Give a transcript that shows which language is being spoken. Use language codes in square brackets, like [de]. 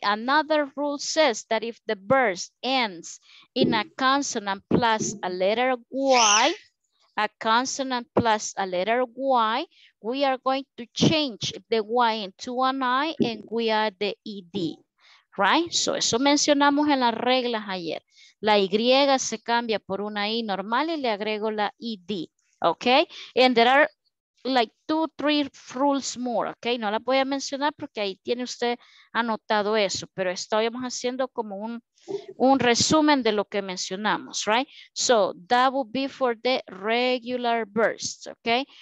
[en] Another rule says that if the verb ends in a consonant plus a letter Y, a consonant plus a letter Y, we are going to change the Y into an I and we add the ED. Right? So [es] eso mencionamos en las reglas ayer. La Y se cambia por una I normal y le agrego la ED. [en] Okay? And there are like 2-3 rules more. Okay? [es] No la voy a mencionar porque ahí tiene usted anotado eso. Pero estábamos haciendo como un resumen de lo que mencionamos. [en] Right? So that would be for the regular verbs. Okay?